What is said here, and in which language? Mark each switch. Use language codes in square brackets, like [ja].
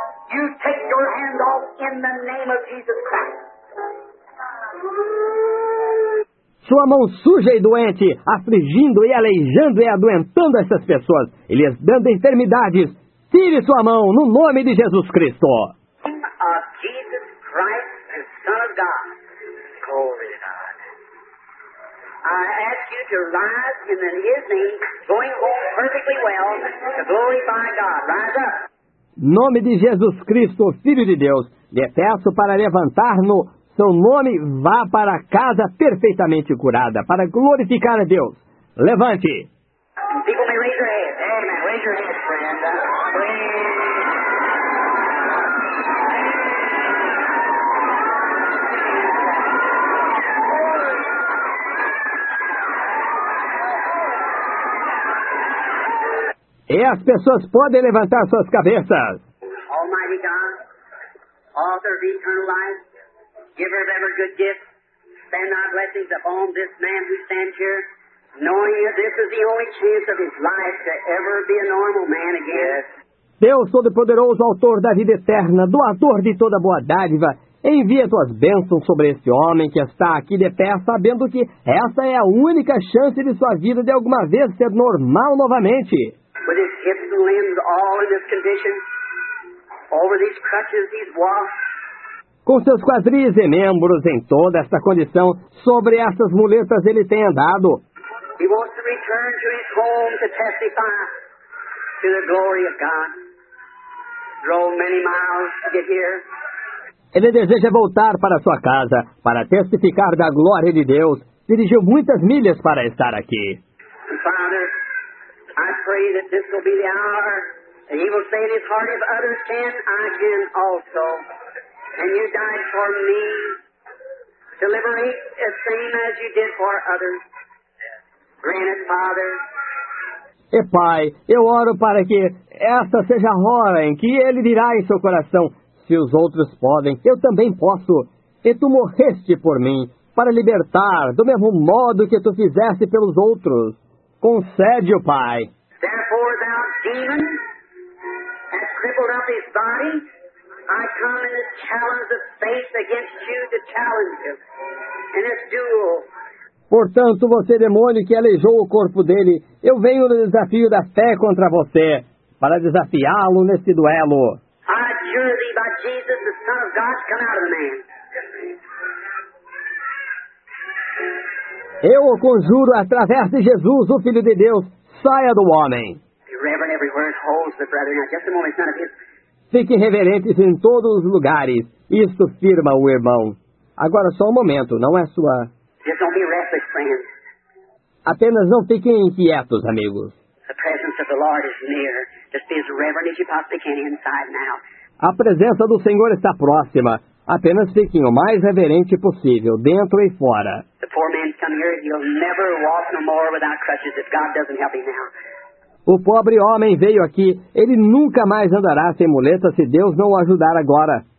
[en] You take your hand off in the name of Jesus Christ. [pt] Sua mão suja e doente, afligindo e aleijando e adoentando essas pessoas, e lhes dando enfermidades. Tire sua mão no nome de Jesus Cristo. [en] Jesus Christ, the Son of God. Glory to God. I ask you to rise in his name, going home perfectly well, to glorify God. Rise up. [pt] Nome de Jesus Cristo, Filho de Deus, lhe peço para levantar no seu nome, vá para casa perfeitamente curada, para glorificar a Deus. Levante. [en] People may raise your hands. Amen. Raise your hands, friend. [pt] E as pessoas podem levantar suas cabeças. [en] Almighty God, author of eternal life, giver of every good gift, send our blessings upon this man who stands here, knowing that this is the only chance of his life to ever be a normal man again. Yes. [pt] Deus Todo-Poderoso, Autor da Vida Eterna, Doador de toda boa dádiva, envia tuas bênçãos sobre esse homem que está aqui de pé, sabendo que essa é a única chance de sua vida de alguma vez ser normal novamente. [en] With his hips and limbs all in this condition, over these crutches, these walks. [pt] Com seus quadris e membros em toda esta condição, sobre essas muletas ele tem andado. [en] He wants to return to his home to testify to the glory of God. Drove many miles to get here. [pt] Ele deseja voltar para sua casa para testificar da glória de Deus. Dirigiu muitas milhas para estar aqui. [en] Father, I pray that this will be the hour that he will say in his heart, if others can, I can also. And you died for me to liberate the same as you did for others. Grant it, Father. [pt] E Pai, eu oro para que esta seja a hora em que ele dirá em seu coração, se os outros podem, eu também posso. E tu morreste por mim, para libertar, do mesmo modo que tu fizeste pelos outros. Concede, Pai. [en] Therefore, thou demon, that crippled up his body, I come in this challenge of faith against you to challenge him in this duel. [pt] Portanto, você, demônio, que aleijou o corpo dele, eu venho no desafio da fé contra você, para desafiá-lo neste duelo. [en] I adjure thee by Jesus, the Son of God, to come out of the man. [pt] Eu o conjuro através de Jesus, o Filho de Deus, saia do homem. [en] Reverend, every word holds the brethren. Now, just a moment, son of his. [pt] Fiquem reverentes em todos os lugares. Isto firma o irmão. Agora, só um momento, não é sua. [en] Just don't be restless, friends. [pt] Apenas não fiquem inquietos, amigos. [en] The presence of the Lord is near. Just be as reverent as you possibly can inside now. [pt] A presença do Senhor está próxima. Apenas fiquem o mais reverente possível, dentro e fora. [en] The poor man come here, he'll never walk no more without crutches if God doesn't help him now. [pt] O pobre homem veio aqui. Ele nunca mais andará sem muleta se Deus não o ajudar agora.